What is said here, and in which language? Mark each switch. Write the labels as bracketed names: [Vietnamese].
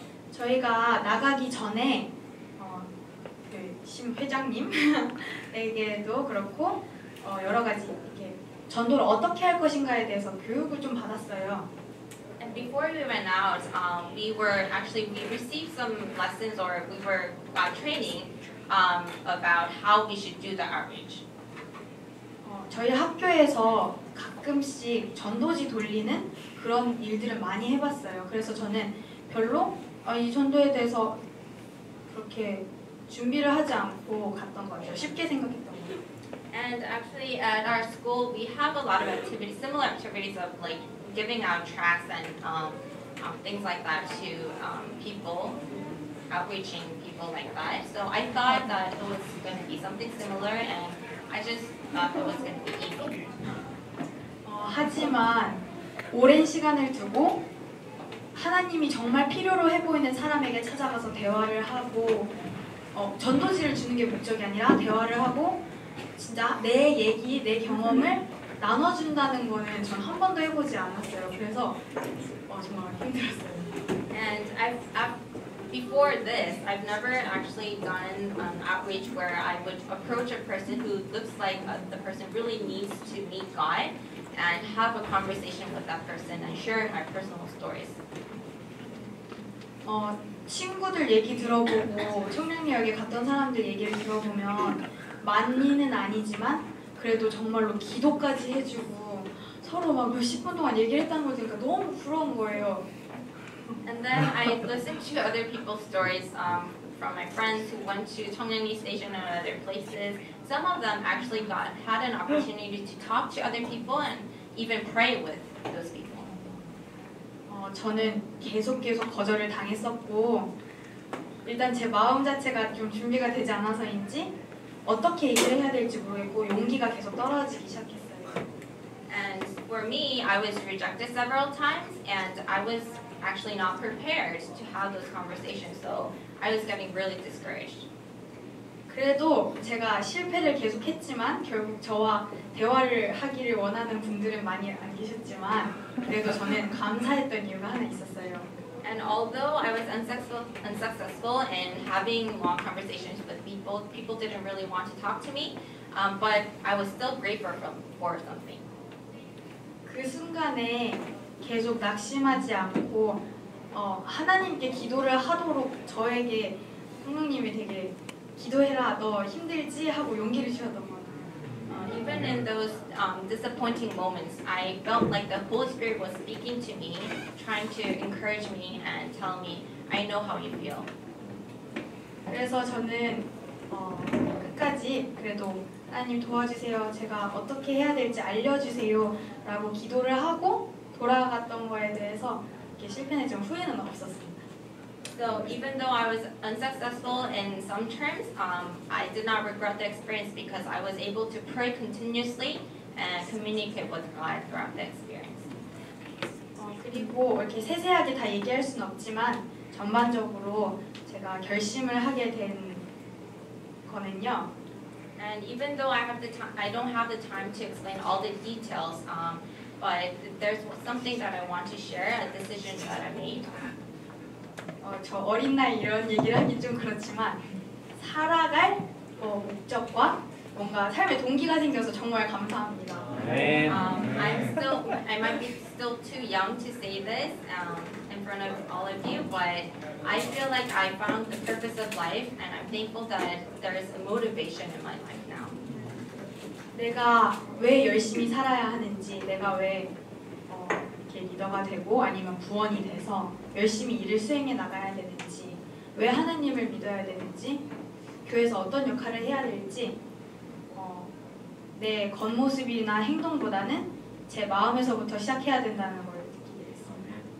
[Korean] 저희가 나가기 전에 그 심 회장님에게도 그렇고 여러 가지 이렇게 전도를 어떻게 할 것인가에 대해서 교육을 좀 받았어요. [English] before we went out, we received some lessons or we were training about how we should do the outreach. [Korean] 저희 학교에서 가끔씩 전도지 돌리는 그런 일들을 많이 해봤어요. 그래서 저는 별로 이 전도에 대해서 그렇게 준비를 하지 않고 갔던 것 같아요. 쉽게 생각했던 것 같아요. [English] And actually at our school, we have a lot of activities, similar activities of like giving out tracts and things like that to people, outreaching people like that. So I thought that it was going to be something similar and I just thought it was going to be easy. [Korean] 하지만 오랜 시간을 두고 하나님이 정말 필요로 해 보이는 사람에게 찾아가서 대화를 하고 전도지를 주는 게 목적이 아니라 대화를 하고 진짜 내 얘기, 내 경험을 나눠준다는 거는 전 한 번도 해보지 않았어요. 그래서 정말 힘들었어요. [English] And before this, I've never actually done an outreach where I would approach a person who looks like the person really needs to meet God and have a conversation with that person and share my personal stories. [Korean] 친구들 얘기 들어보고 청량리역에 갔던 사람들 얘기를 들어보면 많이는 아니지만 그래도 정말로 기도까지 해주고 서로 막 몇십 분 동안 얘기를 했다는 걸 들으니까 너무 부러운 거예요. [English] And then I listened to other people's stories from my friends who went to Cheongnyang-ri Station and other places. Some of them actually had an opportunity to talk to other people and even pray with those people. [Korean] 저는 계속 거절을 당했었고 일단 제 마음 자체가 좀 준비가 되지 않아서인지 어떻게 얘기를 해야 될지 모르겠고 용기가 계속 떨어지기 시작했어요. [English] And for me, I was rejected several times and I was actually not prepared to have those conversations, so I was getting really discouraged. [Korean] 그래도 제가 실패를 계속했지만 결국 저와 대화를 하기를 원하는 분들은 많이 안 계셨지만 그래도 저는 감사했던 이유가 하나 있었어요. [English] And although I was unsuccessful in having long conversations with people didn't really want to talk to me, but I was still grateful for something. [Korean] 그 순간에 계속 낙심하지 않고 하나님께 기도를 하도록 저에게 성령님이 되게 기도해라, 너 힘들지? 하고 용기를 주셨던 것 같아요. [English] Even in those disappointing moments, I felt like the Holy Spirit was speaking to me, trying to encourage me and tell me, I know how you feel. [Korean] 그래서 저는 끝까지 그래도 하나님 도와주세요, 제가 어떻게 해야 될지 알려주세요 라고 기도를 하고 돌아갔던 거에 대해서 이렇게 실패는 좀 후회는 없었어요. [English] So even though I was unsuccessful in some terms, I did not regret the experience because I was able to pray continuously and communicate with God throughout the experience. [Korean] 그리고 이렇게 세세하게 다 얘기할 순 없지만 전반적으로 제가 결심을 하게 된 거는요. [English] And even though I don't have the time to explain all the details, but there's something that I want to share, a decision that I made. [Korean] 저 어린 나이 이런 얘기를 하긴 좀 그렇지만 살아갈 목적과 뭔가 삶의 동기가 생겨서 정말 감사합니다. [English] I might be still too young to say this in front of all of you, but I feel like I found the purpose of life and I'm thankful that there is a motivation in my life now. [Korean] 내가 왜 열심히 살아야 하는지, 내가 왜 리더가 되고 아니면 부원이 돼서 열심히 일을 수행해 나가야 되는지, 왜 하나님을 믿어야 되는지, 교회에서 어떤 역할을 해야 될지, 내 겉모습이나 행동보다는 제 마음에서부터 시작해야 된다는 걸 느끼게 됐습니다.